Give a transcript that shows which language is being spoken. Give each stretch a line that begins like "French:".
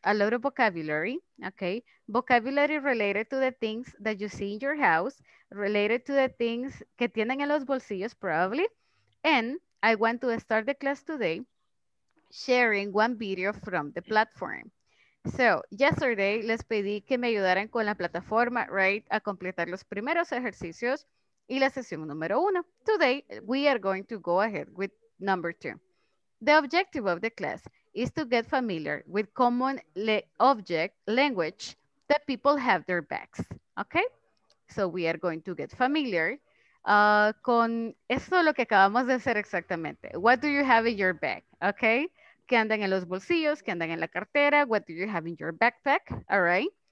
English: A lot of vocabulary, okay? Vocabulary related to the things that you see in your house, related to the things
Spanish: que tienen en los bolsillos,
English: probably. And I want to start the class today sharing one video from the platform. So, yesterday,
Spanish: les pedí que me ayudaran con la plataforma, right, a completar los primeros ejercicios y la sesión número uno.
English: Today, we are going to go ahead with number two. The objective of the class is to get familiar with common object language that people have their backs, okay? So we are going to get familiar
Spanish: con esto lo que acabamos de hacer exactamente.
English: What do you have in your bag, okay?
Spanish: ¿Qué andan en los bolsillos? ¿Qué andan en la cartera?
English: What do you have in your backpack, all right?